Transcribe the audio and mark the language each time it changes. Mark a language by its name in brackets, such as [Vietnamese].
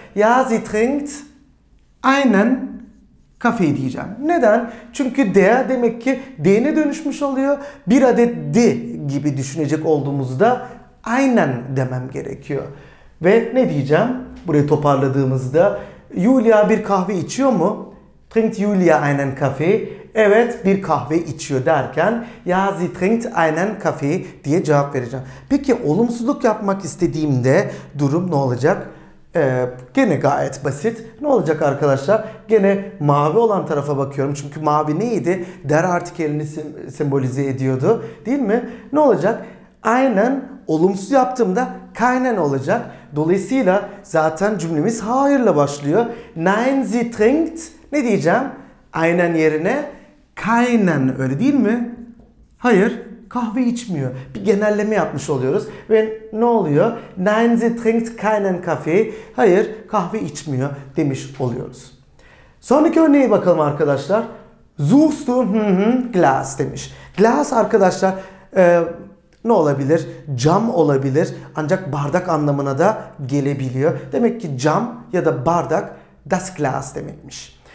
[German] Ja, sie trinkt einen Kaffee [Turkish] diyeceğim. Neden? Çünkü der demek ki d'ne dönüşmüş oluyor. Bir adet di gibi düşünecek olduğumuzda einen demem gerekiyor. Ve ne diyeceğim? Burayı toparladığımızda Julia bir kahve içiyor mu? [German] Trinkt Julia einen Kaffee? [Turkish] Evet, bir kahve içiyor derken [German] ja, sie trinkt einen Kaffee [Turkish] diye cevap vereceğim. Peki olumsuzluk yapmak istediğimde durum ne olacak? Gene gayet basit. Ne olacak arkadaşlar? Gene mavi olan tarafa bakıyorum. Çünkü mavi neydi? Der artikelini sembolize ediyordu. Değil mi? Ne olacak? Einen olumsuz yaptığımda keinen olacak. Dolayısıyla zaten cümlemiz hayırla başlıyor. [German] Nein, sie trinkt. [Turkish] Ne diyeceğim? Einen yerine keinen, öyle değil mi? Hayır, kahve içmiyor. Bir genelleme yapmış oluyoruz. Ve ne oluyor? [German] Nein, sie trinkt keinen Kaffee. [Turkish] Hayır, kahve içmiyor demiş oluyoruz. Sonraki örneğe bakalım arkadaşlar. [German] Suchst du Glas [Turkish] demiş. Glas arkadaşlar ne olabilir? Cam olabilir. Ancak bardak anlamına da gelebiliyor. Demek ki cam ya da bardak das Glas demekmiş.